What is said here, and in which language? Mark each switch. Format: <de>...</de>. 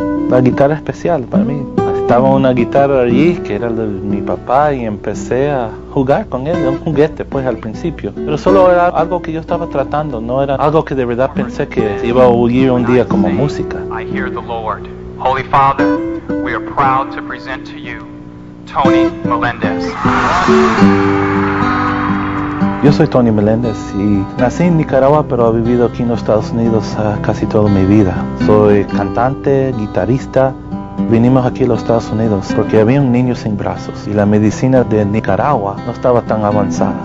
<es>La guitarra especial para mí. Estaba una guitarra allí, que era de mi papá, y empecé a jugar con él, un juguete, pues, al principio. Pero solo era algo que yo estaba tratando, no era algo que de verdad pensé que iba a oír un día como música.</es> <en>I hear the Lord. Holy Father, we are proud to present to you, Tony Meléndez.</en> <es>Yo soy Tony Meléndez y nací en Nicaragua, pero he vivido aquí en los Estados Unidos casi toda mi vida. Soy cantante, guitarrista. Vinimos aquí a los Estados Unidos porque había un niño sin brazos y la medicina de Nicaragua no estaba tan avanzada.</es>